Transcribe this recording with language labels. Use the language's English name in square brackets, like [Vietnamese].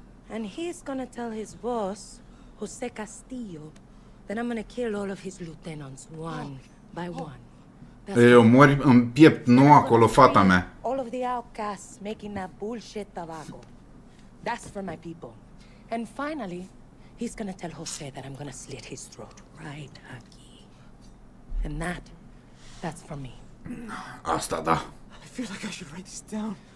[English] And he's gonna tell his boss, Jose Castillo, then I'm gonna kill all of his lieutenants, one by one. [Romanian] Eu mor în piept, nu acolo, fata mea. [English] All of the outcasts making that bullshit tobacco. That's for my people. And finally, he's gonna tell Jose that I'm gonna slit his throat right [Spanish] aquí. [English] And that's for me. [Romanian] Asta da. [English] I feel like I should write this down.